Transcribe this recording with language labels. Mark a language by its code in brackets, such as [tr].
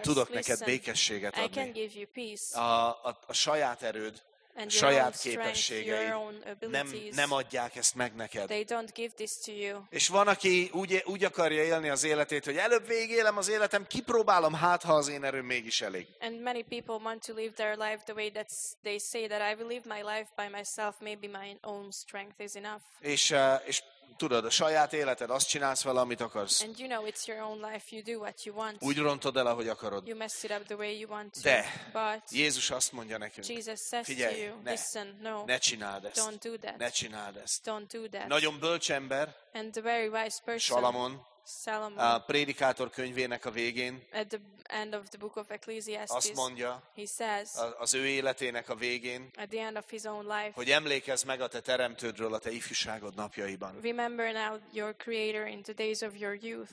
[hu] Tudok neked békességet adni. [en] I can give you peace. [hu] A saját erőd, [en] and [hu] saját [en] your own [hu] képességei [en] strength, your own abilities, [hu] nem adják ezt meg neked. [en] They don't give this to you. [hu] És van, aki úgy akarja élni az életét, hogy előbb végélem az életem, kipróbálom, hát ha az én erőm mégis elég. [en] And many people want to live their life the way that they say that I will live my life by myself, maybe my own strength is enough. [hu] És tudod, a saját életed, azt csinálsz vele, amit akarsz. [en] And you know, it's your own life, you do what you want. [hu] Úgy rontod el, ahogy akarod. [en] You mess it up the way you want to. [hu] De [en] but [hu] Jézus azt mondja nekünk, [en] Jesus says [hu] figyelj, [en] to you, [hu] ne, [en] listen, no, [hu] ne csináld ezt. [en] Don't do that. [hu] Ne csináld ezt. [en] Don't do that. [hu] Nagyon bölcs ember, [en] and a very wise person, [hu] Salamon, [en] Solomon, [hu] a Prédikátor könyvének a végén, [en] at the end of the book of Ecclesiastes, [hu] azt mondja, [en] he says, [hu] az ő életének a végén, [en] at the end of his own life, [hu] hogy emlékezz meg a te teremtődről a te ifjúságod napjaiban. [en] Remember now your creator in the days of your youth.